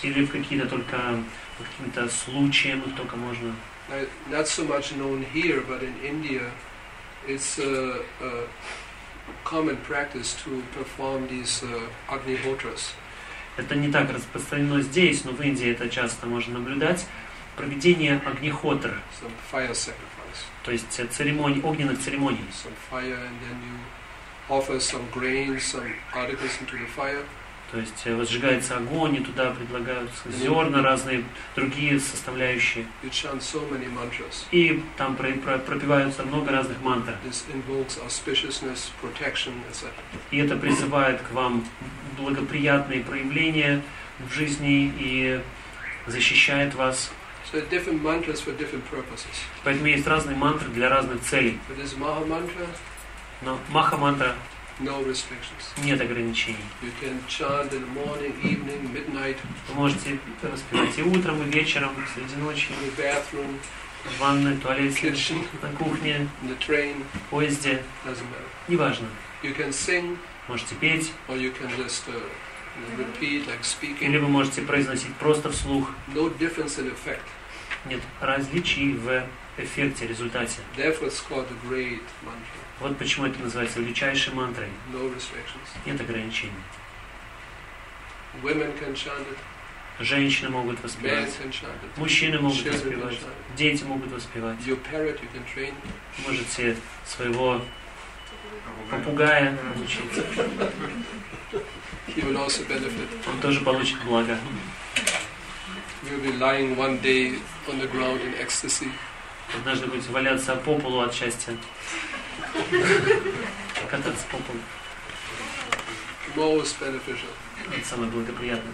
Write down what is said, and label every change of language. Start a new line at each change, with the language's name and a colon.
Russian: Или в какие-то только по каким-то случаям их только можно.
English: Not so much known here, but in India it's a common practice to perform these Agnihotras.
Russian: Это не так распространено здесь, но в Индии это часто можно наблюдать. Проведение Агнихотр.
English: Some fire sacrifice.
Russian: То есть церемоний, огненных церемоний.
English: Some fire, and then you offer some grains, some articles into the fire.
Russian: То есть возжигается огонь, и туда предлагаются зерна, разные другие составляющие.
English: You chant so many mantras.
Russian: И там пропиваются много разных мантр.
English: This invokes auspiciousness, protection, etc.
Russian: И это призывает к вам благоприятные проявления в жизни и защищает вас.
English: So different mantras for different purposes.
Russian: Поэтому есть разные мантры для разных целей.
English: But this Maha Mantra,
Russian: но Маха Мантра.
English: No restrictions.
Russian: Нет ограничений.
English: You can chant in the morning, evening, midnight.
Russian: Вы можете распевать и утром, и вечером, и среди ночи.
English: In the bathroom,
Russian: в ванной, туалете,
English: kitchen,
Russian: на кухне,
English: in the train,
Russian: в поезде.
English: Doesn't matter.
Russian: Неважно.
English: You can sing,
Russian: можете петь.
English: Or you can just, repeat, like speaking.
Russian: Или вы можете произносить просто вслух.
English: No difference in effect.
Russian: Нет различий в эффекте, результате.
English: Therefore it's called the great mantra.
Russian: Вот почему это называется величайшей мантрой.
English: No restrictions.
Russian: Нет ограничений.
English: Women can chant it.
Russian: Женщины могут воспевать.
English: Men can chant it.
Russian: Мужчины могут
English: Children
Russian: воспевать.
English: Can chant it.
Russian: Дети могут воспевать.
English: Your parrot you can train.
Russian: Можете своего попугая научить.
English: He will also benefit.
Russian: Он тоже получит благо.
English: You'll be lying one day on the ground in ecstasy.
Russian: Однажды будете валяться по полу от счастья. Кататься по полу.
English: Most beneficial.
Russian: Это самое благоприятное.